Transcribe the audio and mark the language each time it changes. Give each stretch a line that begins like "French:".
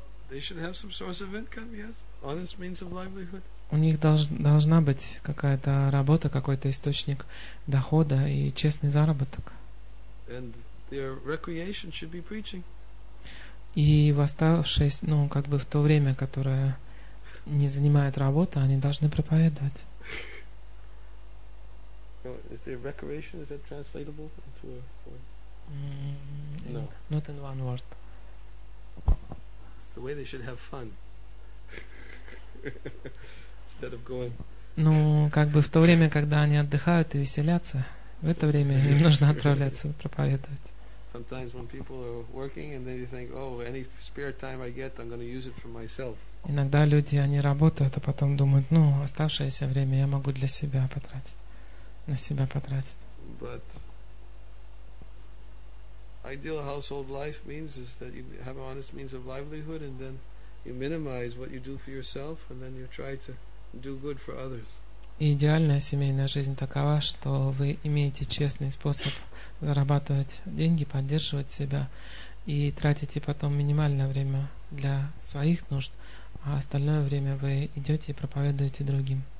English: They should have some source of income, yes. Honest means of livelihood.
Russian: У них должна быть какая-то работа, какой-то источник дохода и честный заработок.
English: And their recreation should be preaching.
Russian: И в оставшееся, ну, как бы в то время, которое не занимает работа, они должны проповедовать.
English: Is their recreation, is that translatable into a word? No. Not in one word. The way they should have fun instead of going.
Russian: Ну, как бы в то время, когда они отдыхают и веселятся, в это время им нужно отправляться проповедовать.
English: Sometimes when people are working and then you think, oh, any spare time I get, I'm going to use it for myself.
Russian: Иногда люди, они работают, а потом думают, ну, оставшееся время я могу для себя потратить, на себя потратить.
English: But ideal household life means is that you have an honest means of livelihood, and then you minimize what you do for yourself, and then you try to do good for others.
Russian: И идеальная семейная жизнь такова, что вы имеете честный способ зарабатывать деньги, поддерживать себя и тратите потом минимальное время для своих нужд, а остальное время вы идете и проповедуете другим.